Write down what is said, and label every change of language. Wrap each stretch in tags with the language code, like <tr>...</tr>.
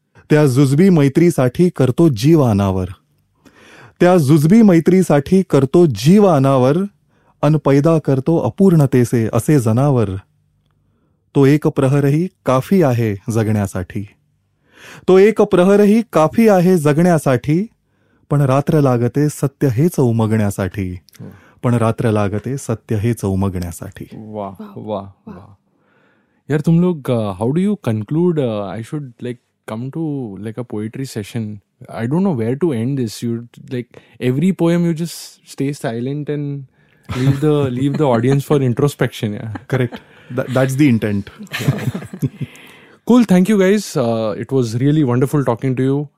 <mr>त्या जुजबी मैत्रीसाठी करतो जीव अनावर, त्या जुजबी मैत्रीसाठी करतो जीव अनावर, अन पैदा करतो अपूर्णतेसे असे जनावर, तो एक प्रहरही काफी आहे जगण्यासाठी, तो एक प्रहरही काफी आहे जगण्यासाठी, पण रात्र लागते सत्य हेच उमगण्यासाठी, पण रात्र लागते सत्य हेच उमगण्यासाठी.</mr> <hi>वा वा वा यार, तुम लोग</hi> <en>How do you conclude? I should like come to like a poetry session. I don't know where to end this. You like every poem you just stay silent and leave the audience for introspection. Correct, that's the intent. Cool, thank you guys. It was really wonderful talking to you.</en>